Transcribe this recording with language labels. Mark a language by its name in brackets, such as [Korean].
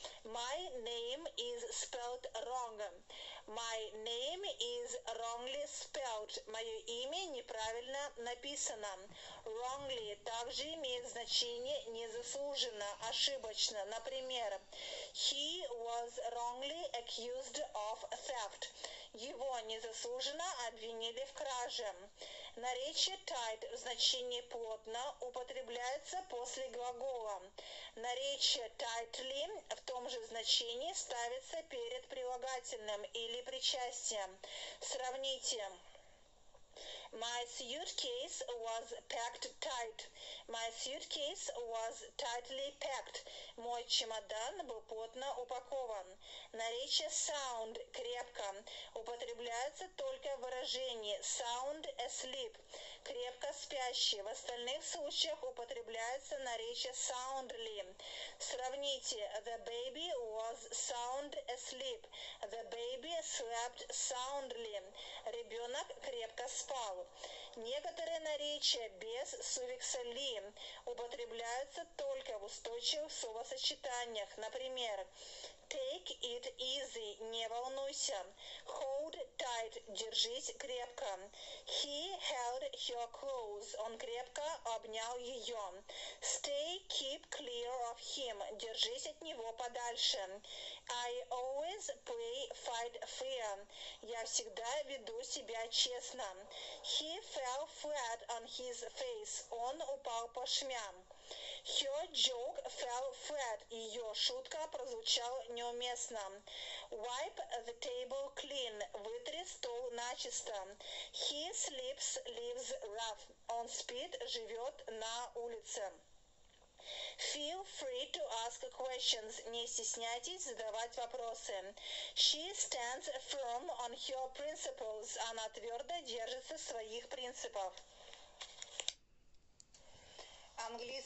[English] My name is spelled wrong. My name is wrongly spelled. [Russian] Мое имя неправильно написано. Wrongly также имеет значение незаслуженно, ошибочно. Например, [English] he was wrongly accused of theft. [Russian] Его незаслуженно обвинили в краже. Наречие tight в значении плотно употребляется после глагола. Наречие tightly в том же значении ставится перед прилагательным или причастием. Сравните. [English] My suitcase was packed tight. My suitcase was tightly packed. [Russian] Мой чемодан был плотно упакован. Наречие sound – крепко. Употребляется только в выражении sound asleep – крепко спящий. В остальных случаях употребляется наречие soundly. Сравните. [English] The baby was sound asleep. The baby slept soundly. [Russian] Ребенок крепко спал. Некоторые наречия без суффикса «ли» употребляются только в устойчивых словосочетаниях. Например, [English] take it easy [Russian] – не волнуйся. [English] Hold tight – [Russian] держись крепко. [English] He held her close – [Russian] он крепко обнял ее. [English] Stay – keep clear of him – [Russian] держись от него подальше. [English] I always play fight fair – [Russian] я всегда веду себя честно. [English] He fell flat on his face – [Russian] он упал по шмям. [English] Her joke fell flat. [Russian] Ее шутка прозвучала неуместно. [English] Wipe the table clean. [Russian] Вытри стол начисто. [English] He sleeps, lives rough. [Russian] Он спит, живет на улице. [English] Feel free to ask questions. [Russian] Не стесняйтесь задавать вопросы. [English] She stands firm on her principles. [Russian] Она твердо держится своих принципов. Английский.